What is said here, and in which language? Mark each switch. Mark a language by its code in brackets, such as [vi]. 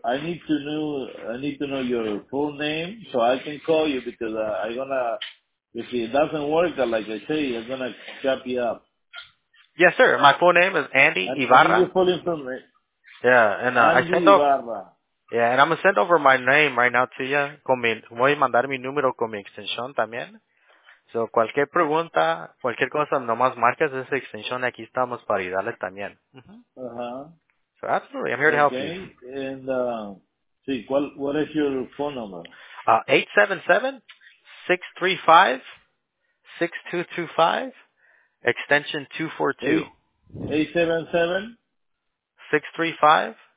[en] I need to know your full name so I can call you because I'm gonna. If it doesn't work, like I say, I'm gonna chop you up. Yes, sir. My full name is Andy Ibarra. Full information. Yeah, and Andy I sent over. Yeah, and I'm gonna send over my name right now to you. [es] Con mi, voy a mandar mi número con mi extensión también. So cualquier pregunta, cualquier cosa, nomás marcas esa extensión. Aquí estamos para ayudarles también. Uh-huh. [en] Uh-huh. So absolutely, I'm here to help okay. you. And see, what is your phone number? 877-635-6225, extension 242. 877-635-6225.